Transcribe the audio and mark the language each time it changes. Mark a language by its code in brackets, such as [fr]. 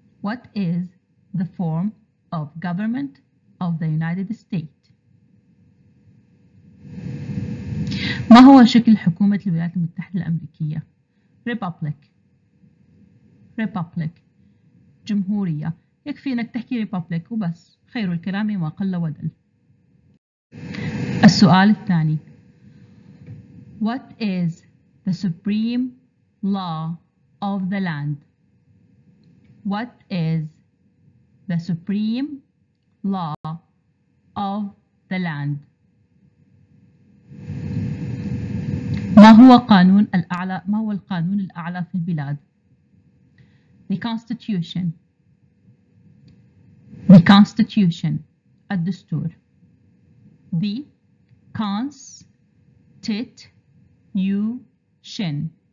[en] What is the form of government of the United States? [ar] ما هو شكل حكومة الولايات المتحدة الأمريكية؟ [en] Republic. Republic. [ar] جمهورية. يكفي أنك تحكي Republic وبس، خير الكلام ما قل ودل. السؤال الثاني: [en] What is the supreme law of the land? What is the supreme law of the land? [ar] ما هو القانون الأعلى في البلاد؟ [en] The Constitution. The Constitution. [ar] الدستور. [en] The Constitution.